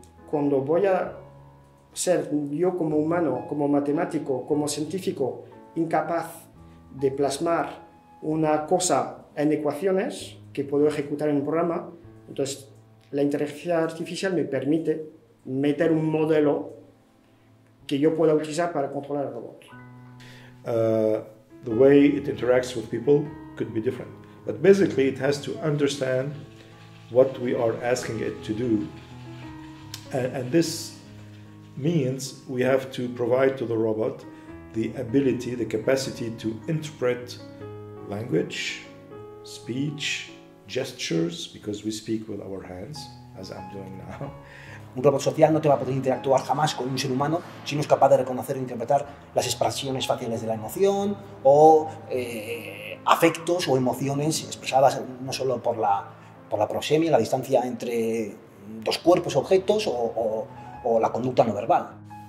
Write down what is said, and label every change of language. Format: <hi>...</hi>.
<es>Cuando voy a ser yo como humano, como matemático, como científico, incapaz de plasmar una cosa en ecuaciones que puedo ejecutar en un programa, entonces la inteligencia artificial me permite meter un modelo que yo pueda utilizar para controlar el robot.</es> <en>The way it interacts with people could be different, but basically it has to understand what we are asking it to do, and this means we have to provide to the robot the ability, the capacity to interpret language, speech, gestures, because we speak with our hands, as I'm doing now.</en> <es>Un robot social no te va a poder interactuar jamás con un ser humano si no es capaz de reconocer e interpretar las expresiones faciales de la emoción o afectos o emociones expresadas no solo por la prosemia, la distancia entre dos cuerpos objetos o la conducta no verbal.</es>